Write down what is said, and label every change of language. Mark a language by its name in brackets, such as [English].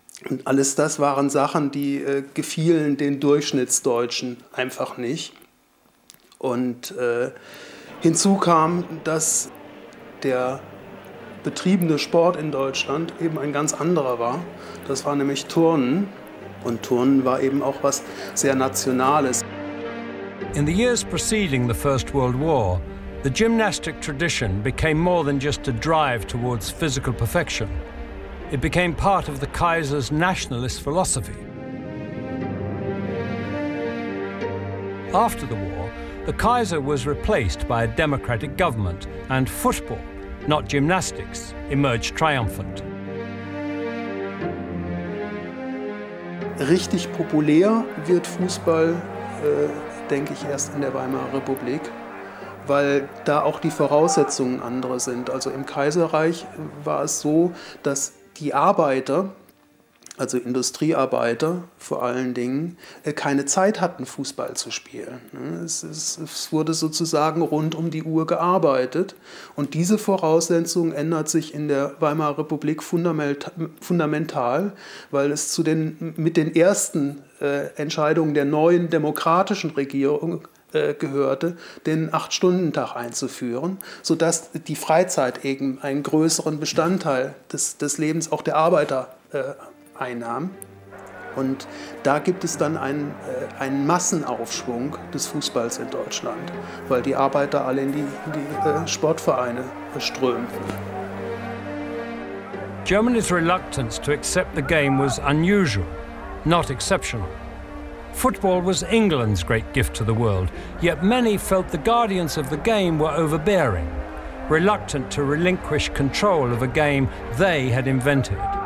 [German] Und alles das waren Sachen, die gefielen den Durchschnittsdeutschen einfach nicht. Und hinzu kam, dass der betriebene Sport in Deutschland eben ein ganz anderer war. Das war nämlich Turnen. Und Turnen war eben auch was sehr Nationales. [English] In the years preceding the First World War, the gymnastic tradition became more than just a drive towards physical perfection. It became part of the Kaiser's nationalist philosophy. After the war, the Kaiser was replaced by a democratic government, and football, not gymnastics, emerged triumphant. [German] Richtig populär wird Fußball, denke ich, erst in der Weimarer Republik, weil da auch die Voraussetzungen andere sind. Also im Kaiserreich war es so, dass die Arbeiter, also Industriearbeiter vor allen Dingen, keine Zeit hatten, Fußball zu spielen. Es wurde sozusagen rund um die Uhr gearbeitet. Und diese Voraussetzung ändert sich in der Weimarer Republik fundamental, weil es mit den ersten Entscheidungen der neuen demokratischen Regierung gehörte, den 8-Stunden-Tag einzuführen, sodass die Freizeit eben einen größeren Bestandteil des Lebens auch der Arbeiter einnahm. Und da gibt es dann einen Massenaufschwung des Fußballs in Deutschland, weil die Arbeiter alle in die Sportvereine strömen. [English] Germany's reluctance to accept the game was unusual, not exceptional. Football was England's great gift to the world, yet many felt the guardians of the game were overbearing, reluctant to relinquish control of a game they had invented.